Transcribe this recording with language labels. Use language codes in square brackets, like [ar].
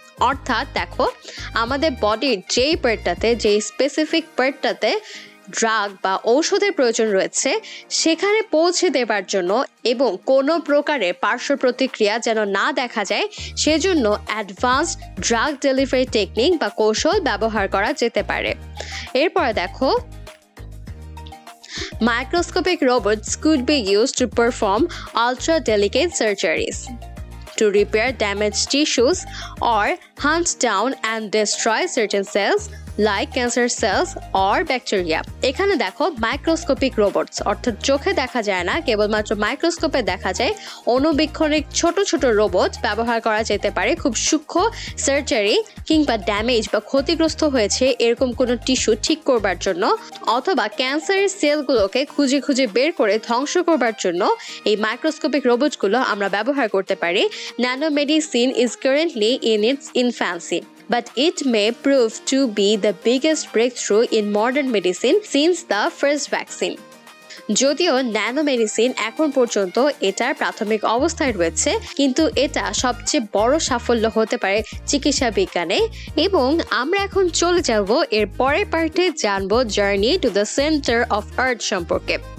[bn] অর্থাৎ দেখো, আমাদের বডির যেই পার্টটাতে, যেই স্পেসিফিক পার্টটাতে ড্রাগ বা ঔষধের প্রয়োজন রয়েছে, সেখানে পৌঁছে দেওয়ার জন্য এবং কোনো প্রকারের পার্শ্ব প্রতিক্রিয়া যেন না দেখা যায়, সেজন্য অ্যাডভান্সড ড্রাগ ডেলিভারি টেকনিক বা কৌশল ব্যবহার করা যেতে পারে। এরপর দেখো, [en] Microscopic robots could be used to perform ultra delicate surgeries to repair damaged tissues or hunt down and destroy certain cells like cancer cells or bacteria. [bn] এখানে দেখো, মাইক্রোস্কোপিক রোবটস, অর্থাৎ চোখে দেখা যায় না, কেবলমাত্র মাইক্রোস্কোপে দেখা যায়, অণুবীক্ষণিক ছোট ছোট রোবট ব্যবহার করা যেতে পারে খুব সূক্ষ্ম সার্জারি কিংবা ড্যামেজ বা ক্ষতিগ্রস্ত হয়েছে এরকম কোনো টিস্যু ঠিক করবার জন্য, অথবা ক্যান্সারের সেলগুলোকে খুঁজে খুঁজে বের করে ধ্বংস করবার জন্য এই মাইক্রোস্কোপিক রোবটগুলো আমরা ব্যবহার করতে পারি। [en] Nanomedicine is currently in its infancy, but it may prove to be the biggest breakthrough in modern medicine since the first vaccine. [bn] যদিও ন্যানোমেডিসিন এখন পর্যন্ত এটার প্রাথমিক অবস্থায় রয়েছে, কিন্তু এটা সবচেয়ে বড় সাফল্য হতে পারে চিকিৎসা বিজ্ঞানে। এবং আমরা এখন চলে যাব এর পরের পার্টে, জানবো journey to the centre of earth সম্পর্কে।